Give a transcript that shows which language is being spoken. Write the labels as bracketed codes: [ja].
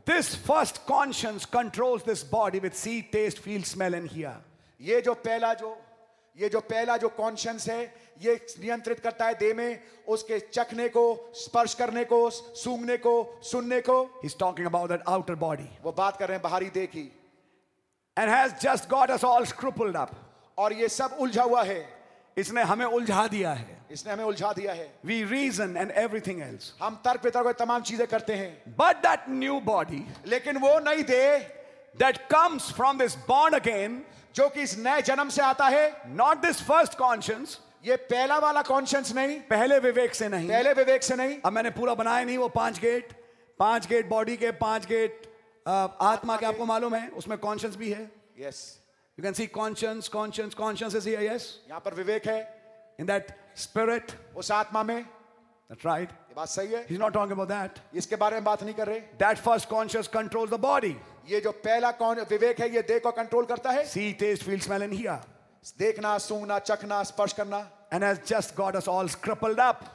[en] This first conscience controls this body with see, taste, feel, smell and hear. [hi] ये जो पहला conscience है, ये नियंत्रित करता है देह में उसके चखने को, स्पर्श करने को, सूंघने को, सुनने को. [en] He's talking about that outer body. [hi] वो बात कर रहे हैं बाहरी देह की. [en] And has just got us all crippled up. [hi] और ये सब उलझा हुआ है. इसने हमें उलझा दिया है. [en] We reason and everything else. [hi] हम तर्क वितर्क और तमाम चीजें करते हैं. [en] But that new body, [hi] लेकिन वो नई देह, [en] that comes from this born again, [hi] जो कि इस नए जन्म से आता है. [en] Not this first conscience, [hi] ये पहला वाला कॉन्शियंस नहीं, पहले विवेक से नहीं. अब मैंने पूरा बनाया नहीं वो पांच गेट बॉडी के, पांच गेट आत्मा के. आपको मालूम है उसमें कॉन्शियंस भी है. [en] Yes. You can see conscience is here. Yes. [hi] यहाँ पर विवेक है. [en] In that spirit. [hi] उस आत्मा में. [en] That's right. [hi] ये बात सही है. [en] He's not talking about that. [hi] इसके बारे में बात नहीं कर रहे. [en] That first conscience controls the body. [hi] ये जो पहला विवेक है ये देह को कंट्रोल करता है. [en] See, taste, feel, smell and hear. [hi] देखना, सूंघना, चखना, स्पर्श करना. [en] And has just got us all crippled up.